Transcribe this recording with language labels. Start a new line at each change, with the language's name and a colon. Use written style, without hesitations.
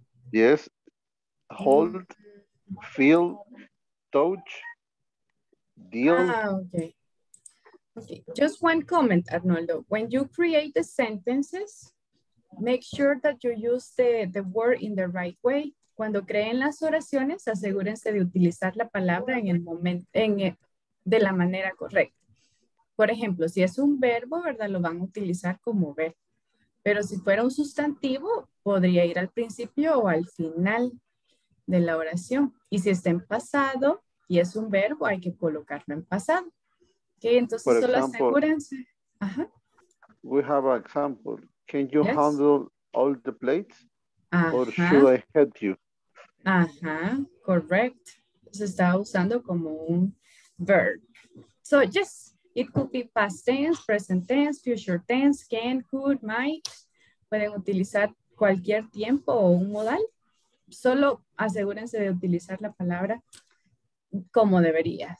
English: Yes, hold, feel, touch, deal. Ah, okay. Okay, just one comment, Arnoldo. When you create the sentences, make sure that you use the word in the right way.
Spanish: Cuando creen las oraciones, asegúrense de utilizar la palabra en el momento, de la manera correcta. Por ejemplo, si es un verbo, ¿verdad? Lo van a utilizar como verbo. Pero si fuera un sustantivo, podría ir al principio o al final de la oración. Y si está en pasado y es un verbo, hay que colocarlo en pasado. Okay, entonces por solo ejemplo, asegúrense.
English: Ajá. We have an example. Can you yes. handle all the plates? Ajá. Or should I help you?
Spanish: Ajá, correct. Se está usando como un verb.
English: So yes, it could be past tense, present tense, future tense, can, could, might.
Spanish: Pueden utilizar cualquier tiempo o un modal. Solo asegúrense de utilizar la palabra como debería.